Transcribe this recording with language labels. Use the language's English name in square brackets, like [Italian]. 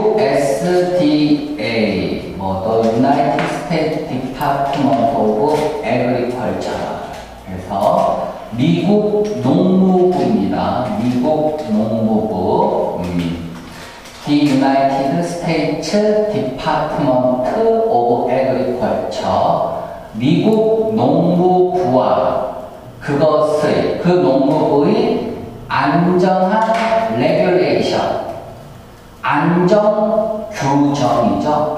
[English] USDA, [Korean] 뭐, 또, [English] United States Department of Agriculture. [Korean] 그래서, 미국 농무부입니다. 미국 농무부. [English] The United States Department of Agriculture. [Korean] 미국 농무부와 그것을, 그 농무부의 안전한 레귤레이션, 안전 규정이죠.